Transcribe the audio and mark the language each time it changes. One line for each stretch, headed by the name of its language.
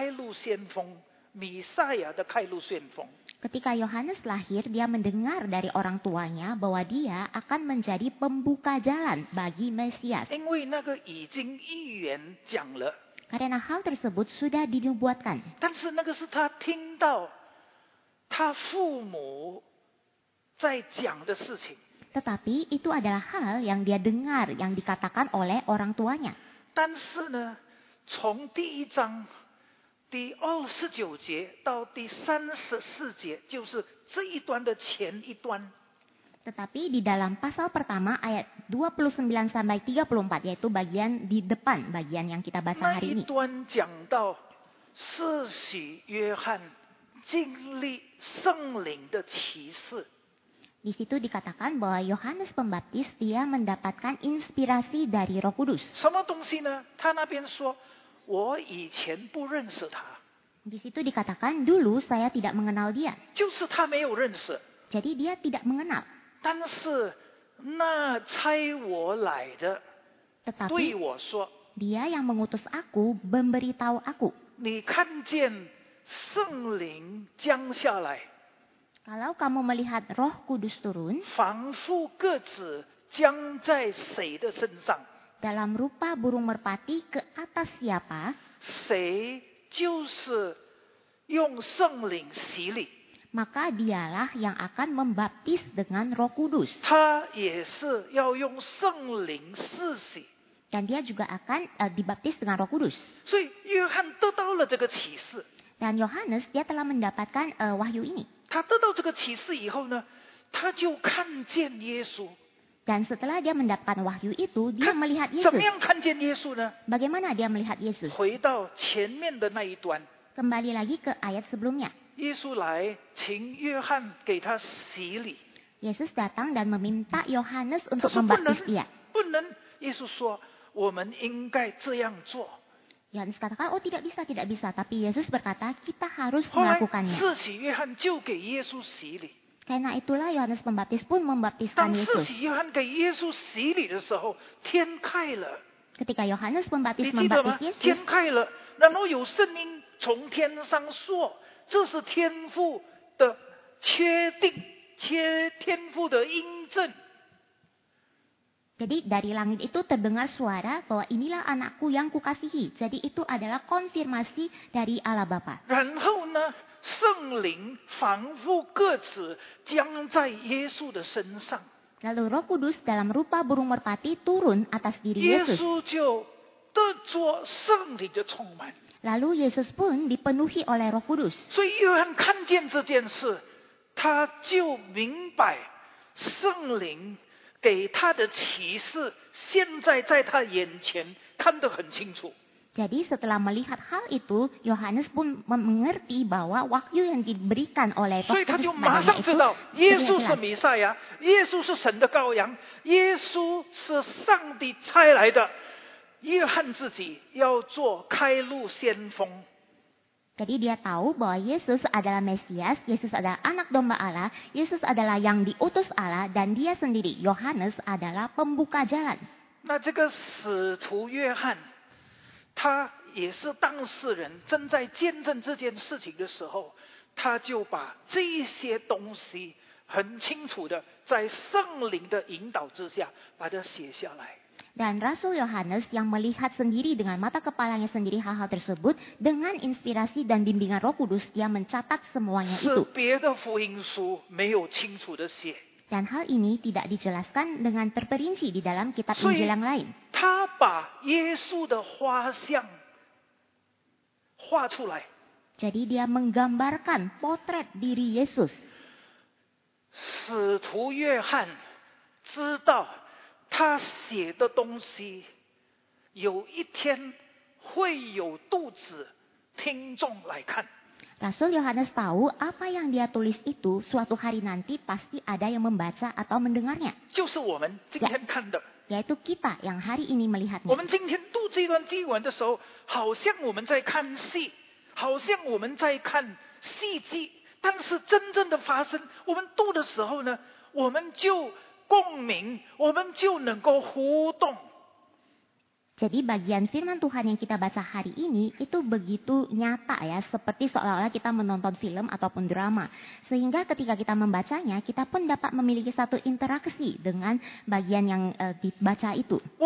Chinese: 约翰生下来的时候，他听到他的父母在讲，他要做开路先锋，弥赛亚的开路先锋。
Indonesian: Ketika Yohanes lahir, dia mendengar dari orang tuanya bahwa dia akan menjadi pembuka jalan bagi Mesias.
Chinese: 因为那个已经预言讲了。
Indonesian: Karena hal tersebut sudah dinubuatkan.
Chinese: 但是那个是他听到他父母 在讲的事情.
Indonesian: Tetapi itu adalah hal yang dia dengar, yang dikatakan oleh orang tuanya.
Chinese: 但是呢, 从第一章, 第29节, 到第34节, 就是这一段的前一段。
Indonesian: Tetapi di dalam pasal pertama ayat 29 sampai 34, yaitu bagian di depan, bagian yang kita baca hari ini.
Chinese: 那一段讲到, 世洗约翰经历圣灵的启示。
Indonesian: Di situ dikatakan bahwa Yohanes Pembaptis dia mendapatkan inspirasi dari Roh Kudus.
Chinese: 什么东西呢? 他那边说, 我以前不认识他.
Indonesian: Di situ dikatakan, dulu saya tidak mengenal dia.
Chinese: 就是他没有认识.
Indonesian: Jadi dia tidak mengenal.
Chinese: 但是那差我来的,
Indonesian: tetapi
Chinese: 对我说,
Indonesian: dia yang mengutus aku, memberitahu aku.
Chinese: 你看见圣灵降下来.
Indonesian: Kalau kamu melihat Roh Kudus turun,
Chinese: 仿佛鸽子将在谁的身上,
Indonesian: dalam rupa burung merpati ke atas siapa,
Chinese: 谁就是用圣灵洗礼。
Indonesian: Maka dialah yang akan membaptis dengan Roh Kudus.
Chinese: 他也是要用圣灵施洗。
Indonesian: Dan dia juga akan dibaptis dengan Roh Kudus.
Chinese: 所以约翰得到了这个启示。
Indonesian: Dan Yohanes dia telah mendapatkan wahyu ini.
Chinese: 他得到这个启示以后呢，他就看见耶稣。
Indonesian: Dan setelah dia mendapatkan wahyu itu, dia melihat Yesus.
Chinese: 怎么样看见耶稣呢？
Indonesian: Bagaimana dia melihat Yesus?
Chinese: 回到前面的那一段。
Indonesian: Kembali lagi ke ayat sebelumnya.
Chinese: 耶稣来，请约翰给他洗礼。
Indonesian: Yesus datang dan meminta Yohanes untuk membaptis dia.
Chinese: 不能，耶稣说，我们应该这样做。
Indonesian: Yohanes katakan, oh tidak bisa, tidak bisa. Tapi Yesus berkata, kita harus melakukannya.
Chinese: 后来，施洗约翰就给耶稣洗礼。
Indonesian: Karena itulah Yohanes Pembaptis pun membaptiskan Yesus.
Chinese: 当施洗约翰给耶稣洗礼的时候，天开了。
Indonesian: Ketika Yohanes Pembaptis membaptis Yesus,
Chinese: 天开了，然后有声音从天上说，这是天父的确定，天父的印证。
Indonesian: Jadi dari langit itu terdengar suara bahwa inilah anakku yang kukasihi. Jadi itu adalah konfirmasi dari Allah Bapa.
Chinese: 然后呢？圣灵仿佛鸽子降在耶稣的身上。
Indonesian: Lalu Roh Kudus dalam rupa burung merpati turun atas diri Yesus.
Chinese: Yesus 就得着圣灵的充满。
Indonesian: Lalu Yesus pun dipenuhi oleh Roh Kudus.
Chinese: 所以约翰看见这件事，他就明白圣灵给他的启示，现在在他眼前看得很清楚。
Indonesian: Jadi setelah melihat hal itu, Yohanes pun mengerti bahwa wahyu yang diberikan oleh Roh Kudus kepada dia itu, Yesus adalah Mesia, Yesus adalah
Chinese: 神的羔羊,
Indonesian: Yesus adalah
Chinese: 上帝差来的, Yohan 自己要做开路先锋。
Indonesian: Jadi dia tahu bahwa Yesus adalah Mesias, Yesus adalah anak domba Allah, Yesus adalah yang diutus Allah, dan dia sendiri, Yohanes adalah pembuka jalan.
Chinese: Nah, 这个使徒约翰他也是当事人，正在见证这件事情的时候，他就把这些东西很清楚的在圣灵的引导之下把它写下来。
Indonesian: Dan Rasul Yohanes yang melihat sendiri dengan mata kepalanya sendiri hal-hal tersebut dengan inspirasi dan bimbingan Roh Kudus, dia mencatat semuanya itu.
Chinese: 是别的福音书没有清楚的写。
Indonesian: Dan hal ini tidak dijelaskan dengan terperinci di dalam kitab Injil yang lain.
Chinese: 他把耶稣的画像画出来。
Indonesian: Jadi dia menggambarkan potret diri Yesus.
Chinese: 使徒约翰知道他写的东西有一天会有读者听众来看。
Indonesian: Rasul Yohanes tahu apa yang dia tulis itu suatu hari nanti pasti ada yang membaca atau mendengarnya.
Chinese: 就是我们今天看的。
Indonesian: Yaitu kita yang hari ini melihatnya.
Chinese: 我们今天读这段经文的时候，好像我们在看戏，好像我们在看戏剧。但是真正的发生，我们读的时候呢，我们就共鸣，我们就能够互动。
Indonesian: Jadi bagian firman Tuhan yang kita baca hari ini itu begitu nyata ya, seperti seolah-olah kita menonton film ataupun drama. Sehingga ketika kita membacanya, kita pun dapat memiliki satu interaksi dengan bagian yang dibaca itu.